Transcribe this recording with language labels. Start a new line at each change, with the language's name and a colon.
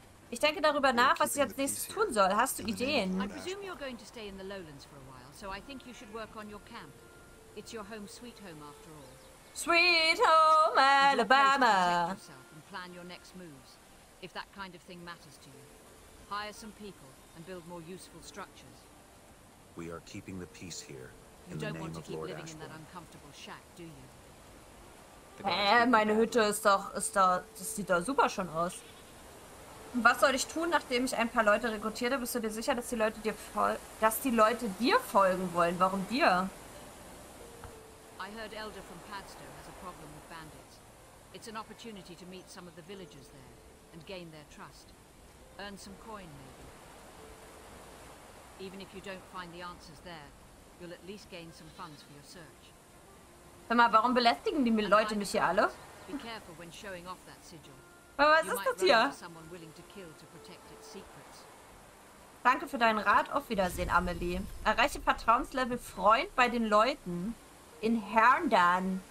German: Ich denke darüber nach, was ich jetzt nächstes tun soll. Hast du Ideen?
English: I presume you're going to stay in the Lowlands for a while, so I think you should work on your camp. It's your home sweet home after all. Sweet home Alabama! Plan your next moves, if that kind of thing matters to you. Hire some people and build more useful structures. We are keeping the peace here in the name of Lord Ashburn. In that uncomfortable shack, do you?
German: Meine Hütte ist da, das sieht da super schon aus. Und was soll ich tun, nachdem ich ein paar Leute rekrutierte? Bist du dir sicher, dass die Leute dir folgen wollen? Warum dir?
English: I heard Elder from Padstone has a problem with bandits. It's an opportunity to meet some of the villagers there and gain their trust. Earn some coin maybe. Even if you don't find the answers there, you'll at least gain some funds for your search.
German: Sag mal, warum belästigen die Leute mich hier alle?
English: Be careful when showing off that sigil.
German: Aber was ist das hier?
English: Someone willing to kill to protect its secrets.
German: Danke für deinen Rat. Auf Wiedersehen, Amelie. Erreiche Vertrauenslevel Freund bei den Leuten in Herndan.